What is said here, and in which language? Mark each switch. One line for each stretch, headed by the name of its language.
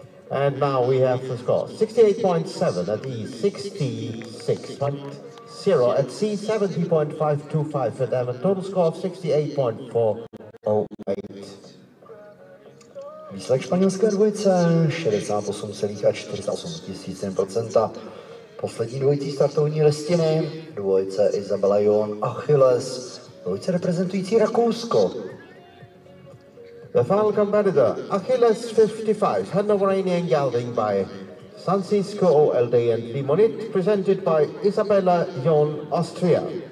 English: And now we have the score 68.7 at E 66.0 at C 70.525 at M, a total score of 68.408.
Czech: Výsledek španělské dvojice 68,408%. Poslední dvojicí startovní listiny dvojice Isabela Jon Achilles, dvojice reprezentující Rakousko.
English: The final competitor, Achilles 55, Hanoveranian gelding by Sancisco OLD and Limonit, presented by Isabella Jon Austria.